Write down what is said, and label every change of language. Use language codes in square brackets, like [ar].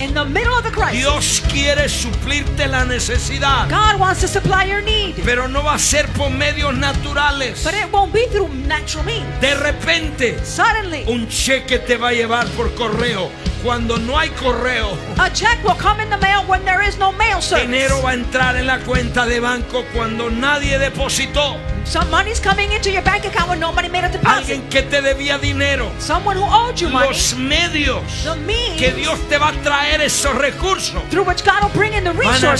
[en] in the middle of the crisis, [es] Dios quiere suplirte la necesidad. [en] God wants to supply your need. [es] Pero no va a ser por medios naturales. [en] But it won't be through natural means. [es] De repente, [en] suddenly, [es] un cheque te va a llevar por correo cuando no hay correo. [en] A check will come in the mail when there is no mail service. [es] Dinero va a entrar en la cuenta de banco cuando nadie depositó. [en] Some money is coming into your bank account when nobody made a deposit. [es] Alguien que te debía dinero. [en] Someone who owed you money. [es] Los medios. [en] The means. [es] Que Dios te va a traer esos recursos. [en] Through which God will bring in the resources.